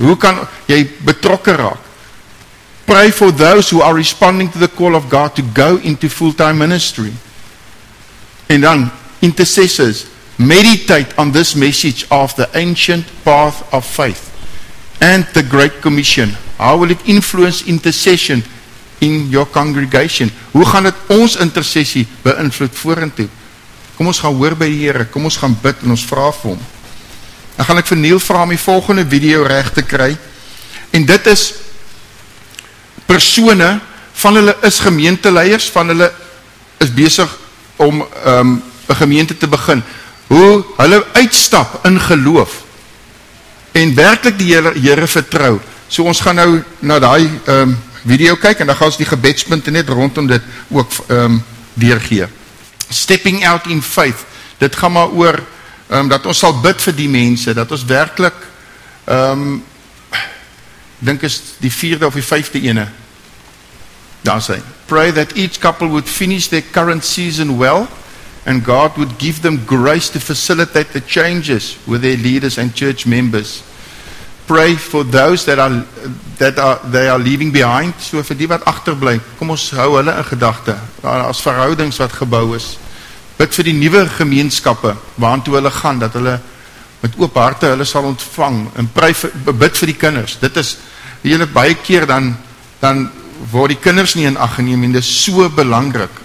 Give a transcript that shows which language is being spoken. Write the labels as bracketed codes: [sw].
[af] Hoe kan jy betrokke raak? [en] Pray for those who are responding to the call of God to go into full-time ministry. En dan, intercessors, meditate on this message of the ancient path of faith and the Great Commission. How will it influence intercession in your congregation? [af] Hoe gaan het ons intercessie beïnvloed vorentoe? Kom ons gaan hoor by die Here, kom ons gaan bid en ons vra vir hom. Dan gaan ek vir Neil vra om die volgende video reg te kry. En dit is persone, van hulle is gemeenteleiers, van hulle is besig om 'n gemeente te begin. Hoe hulle uitstap in geloof en werklik die Here vertrou. So ons gaan nou na daai video kyk en dan gaan ons die gebedspunte net rondom dit ook deurgee. [en] Stepping out in faith. [af] Dit gaan maar oor dat ons sal bid vir die mense, dat ons werklik dink is die vierde of die vyfde ene. Daar sê, [en] pray that each couple would finish their current season well and God would give them grace to facilitate the changes with their leaders and church members. Pray for those that are leaving behind, [af] so vir die wat agterbly. Kom ons hou hulle in gedagte. As verhoudings wat gebou is. Bid vir die nuwe gemeenskappe waartoe hulle gaan, dat hulle met oop harte hulle sal ontvang en bid vir die kinders. Dit is hele baie keer dan word die kinders nie in ag geneem en dit is so belangrik.